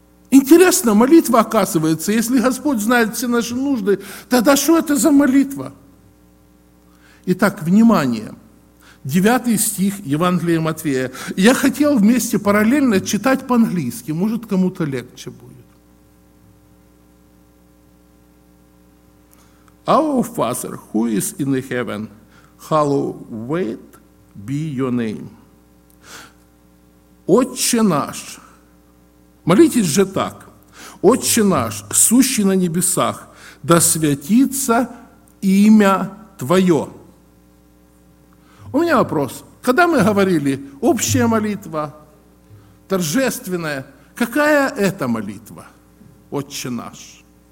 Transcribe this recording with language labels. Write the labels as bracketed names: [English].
[Russian] Интересно, молитва, оказывается, если Господь знает все наши нужды, тогда что это за молитва? Итак, внимание, 9 стих Евангелия Матфея. Я хотел вместе параллельно читать по-английски, может, кому-то легче будет. [English] Our Father, who is in heaven, hallowed be your name. [Russian] Отче наш, молитесь же так. Отче наш, сущий на небесах, да святится имя Твое. У меня вопрос. Когда мы говорили общая молитва, торжественная, какая это молитва, Отче наш?